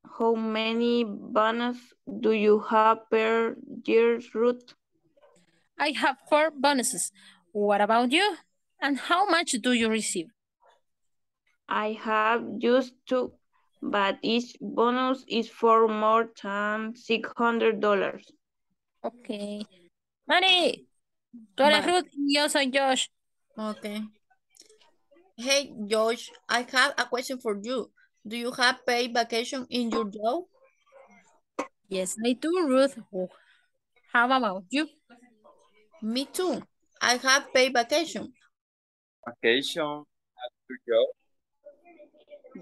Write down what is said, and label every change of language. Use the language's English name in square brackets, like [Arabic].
[English] How many bonus do you have per year, Ruth? I have 4 bonuses. What about you? And how much do you receive? I have just 2, but each bonus is for more than $600. Okay. [Spanish] Mari, tú eres Ruth y yo soy Josh. [English] Okay. Hey, Josh, I have a question for you. Do you have paid vacation in your job? Yes, I do, Ruth. How about you? Me too. I have paid vacation. Vacation at your job?